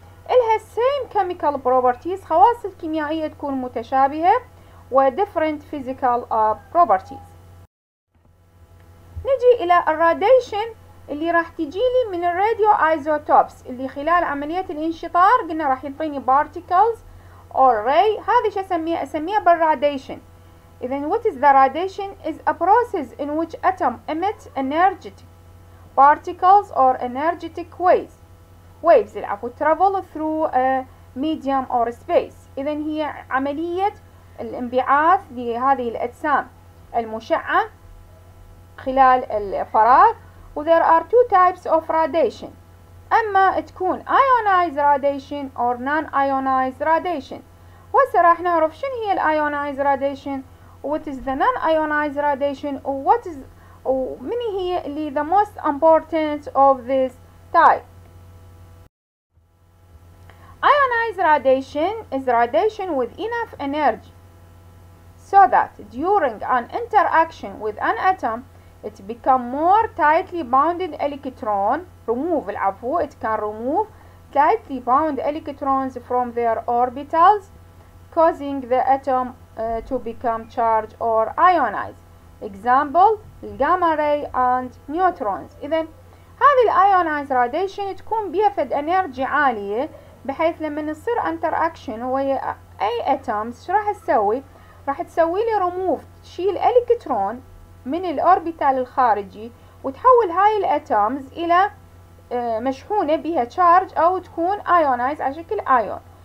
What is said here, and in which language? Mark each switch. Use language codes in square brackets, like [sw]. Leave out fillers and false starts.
[en] إلها same chemical properties، [ar] خواص الكيميائية تكون متشابهة، [en] وdifferent physical properties. [ar] نجي الى الراديشن اللي راح تجي لي من الراديو ايزوتوبس اللي خلال عملية الانشطار قلنا راح يعطيني بارتيكلز اور راي. هذه شو اسميها بالراديشن. [en] اذا what is the radiation is a process in which atom emit energetic particles or energetic waves العفو travel through a medium or space. [ar] اذا هي عملية الانبعاث لهذه الاجسام المشعة خلال الفراغ. [en] و there are two types of radiation، [ar] اما تكون [en] ionized radiation or non-ionized radiation. [ar] وهسه راح نعرف شن هي [en] الionized radiation و what is the non-ionized radiation و what is و من هي اللي the most important of this type. Ionized radiation is radiation with enough energy so that during an interaction with an atom it become more tightly bounded electron remove العفو it can remove tightly bound electrons from their orbitals causing the atom to become charged or ionized. Example gamma ray and neutrons. [ar] إذا هذه الionized radiation تكون بيها فد انرجي عالية بحيث لما نصير interaction ويا اي atoms شو راح تسوي؟ راح تسوي لي remove، تشيل الكترون من الاوربيتال الخارجي وتحول هاي الاتومز الى مشحونه بها تشارج او تكون ايونايز على شكل ايون.